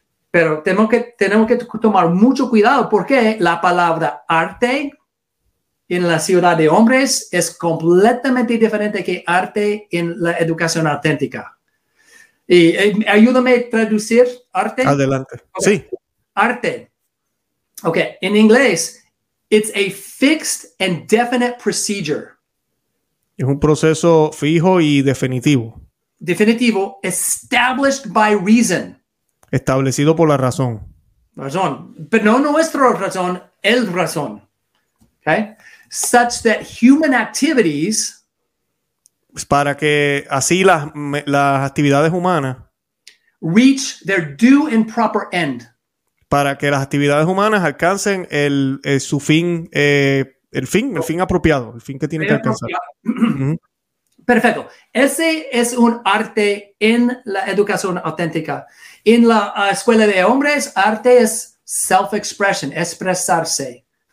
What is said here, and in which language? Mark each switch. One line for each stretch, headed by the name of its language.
Spanish: Pero tenemos que tomar mucho cuidado porque la palabra arte en la ciudad de hombres es completamente diferente que arte en la educación auténtica. Y ayúdame a traducir arte. Adelante. Okay. Sí.
English: Arte. Okay.
Spanish: En inglés,
English: it's a fixed and definite procedure.
Spanish: Es un proceso fijo y definitivo.
English: Definitivo, established by reason.
Spanish: Establecido por la razón. Razón. Pero no nuestra razón, el razón.
English: Okay? Such that human activities.
Spanish: Pues para que así las actividades humanas.
English: Reach their due and proper end.
Spanish: Para que las actividades humanas alcancen su fin, el fin apropiado, el fin que tienen que alcanzar. Perfecto. Ese es un arte en la educación auténtica. En la escuela de hombres, arte es self-expression, expresarse.